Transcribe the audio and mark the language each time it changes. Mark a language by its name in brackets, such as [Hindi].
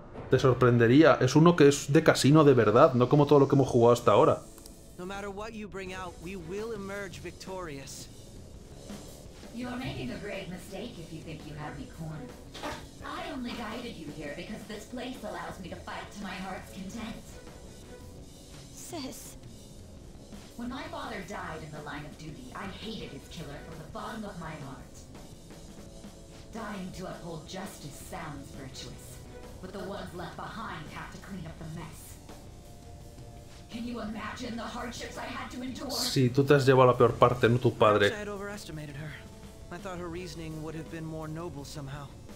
[Spanish] Te sorprendería, es uno que es de casino de verdad, no como todo lo que hemos jugado hasta ahora. [English] No matter what you bring out, we will emerge victorious. You're making a grave mistake if you think you have me cornered. I only guided you here because this place allows me to fight to my heart's content. Sis. When my father died in the line of duty, I hated his killer from the bottom of my heart. Dying to uphold justice sounds virtuous, but the ones left behind have to clean up the mess. Can you imagine the hardships I had to endure? [Spanish] Sí, tú te has llevado la peor parte, no tu padre. [English] I had overestimated her. I thought her reasoning would have been more noble somehow.